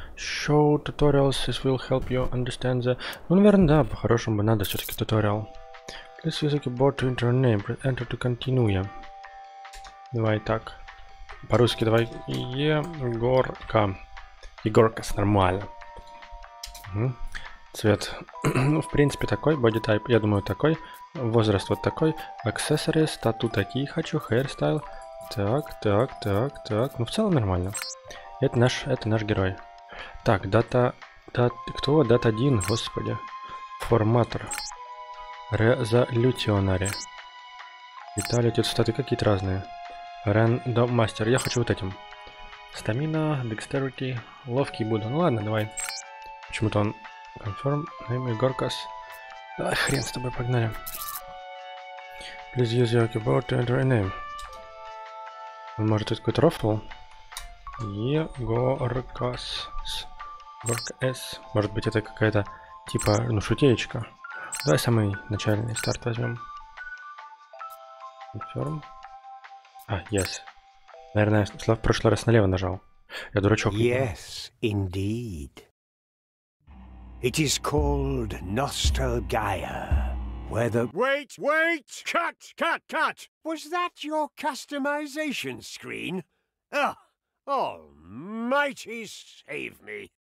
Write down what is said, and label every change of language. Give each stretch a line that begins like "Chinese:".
English: Show tutorials, this will help you understand the...
Russian: Ну, наверное, да, по-хорошему бы надо все-таки туториал.
English: Please use the board to enter a name. Press enter to continue.
Russian: Давай так. По-русски давай. Егорка. Егорка, нормально. Угу. Цвет. Ну, в принципе, такой. Body type, я думаю, такой. Возраст вот такой. Accessories, тату такие хочу.
English: Hairstyle.
Russian: Так. Ну, в целом нормально. Это наш герой. Так, кто? Дата 1, господи. Форматор. Резолютионари. Виталий, тут статы какие-то разные. Рэндом мастер. Я хочу вот этим. Стамина, декстерити. Ловкий буду. Ну ладно, давай. Почему-то он... Confirm.
English: Name Горкас.
Russian: Ай, хрен с тобой, погнали.
English: Please use your keyboard to enter a name.
Russian: Может, тут какой-то рофл? Егоркас. Work S. Может быть, это какая-то типа, ну, шутеечка. Давай самый начальный старт возьмем.
English: Confirm. А, yes.
Russian: Наверное, я в прошлый раз налево нажал. Я дурачок.
English: Yes, indeed. It is called Nostalgaia. Where the... Wait! Cut! Was that your customization screen? Ah, almighty save me.